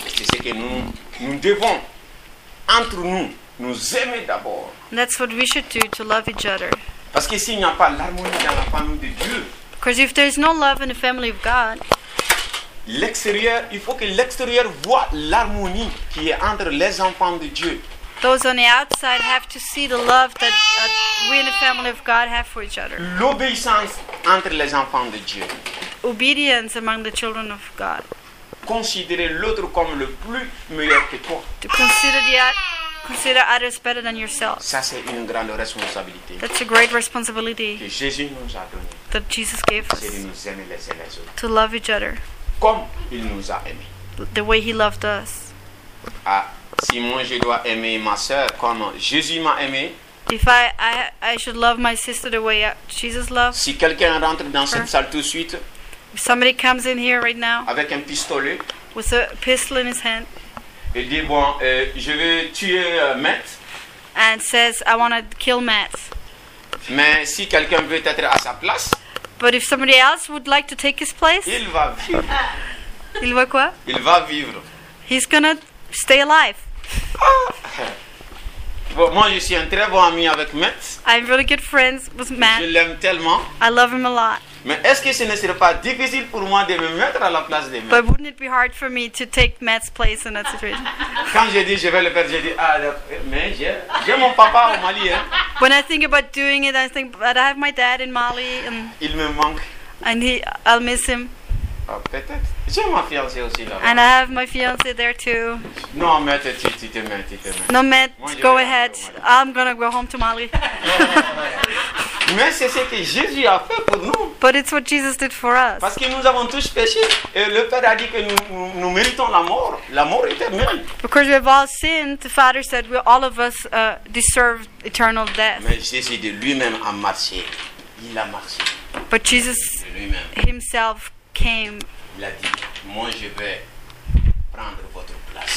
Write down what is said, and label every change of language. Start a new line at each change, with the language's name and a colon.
French: Et c'est ce que nous devons entre nous. Nous aimer d'abord.
English: That's what we should do, to love each other.
French: Parce que s'il n'y a pas l'harmonie dans la famille de Dieu.
English: Because if there is no love in the family of God.
French: L'extérieur, il faut que l'extérieur voit l'harmonie qui est entre les enfants de Dieu.
English: Those on the outside have to see the love that we in the family of God have for each other.
French: L'obéissance entre les enfants de Dieu.
English: Obedience among the children of God.
French: Considérer l'autre comme le plus meilleur que toi.
English: To consider the consider others better than yourself.
French: Ça, c'est une grande responsabilité.
English: That's a great responsibility.
French: Que Jésus nous a donné.
English: That Jesus gave us.
French: C'est de nous aimer les uns les autres.
English: To love each other.
French: Comme il nous a aimé.
English: The way he loved us.
French: Ah, si moi je dois aimer ma sœur comme Jésus m'a aimé.
English: If I should love my sister the way Jesus loved.
French: Si quelqu'un rentre dans cette salle tout de suite.
English: If somebody comes in here right now.
French: Avec un pistolet.
English: With a pistol in his hand.
French: Il dit, bon, je vais tuer Matt.
English: And says, I want to kill Matt.
French: Mais si quelqu'un veut être à sa place.
English: But if somebody else would like to take his place.
French: Il va vivre. Il va quoi? Il va vivre.
English: He's going to stay alive.
French: Bon, moi, je suis un très bon ami avec Matt.
English: I'm really good friends with Matt.
French: Je l'aime tellement.
English: I love him a lot.
French: Mais est-ce que ce ne serait pas difficile pour moi de me mettre à la place de Matt?
English: But wouldn't it be hard for me to take Matt's place in that situation?
French: Quand je dis je vais le faire, je dis ah, mais j'ai mon papa au Mali. Hein.
English: When I think about doing it, I think but I have my dad in Mali. And
French: il me manque.
English: And I'll miss him.
French: Peut-être. J'ai ma fiancée aussi là.
English: And I have my fiancée there too.
French: Non, mais tu te mets. Non, mais
English: go ahead. I'm gonna go home to Mali.
French: Mais c'est ce que Jésus a fait pour nous.
English: But it's what Jesus did for us.
French: Parce que nous avons tous péché et le Père a dit que nous méritons la mort. La mort éternelle.
English: Because we have all sinned, the Father said we all of us deserve eternal death.
French: Mais Jésus de lui-même a marché. Il a marché.
English: But Jesus himself came.
French: Il a dit, moi je vais prendre votre place.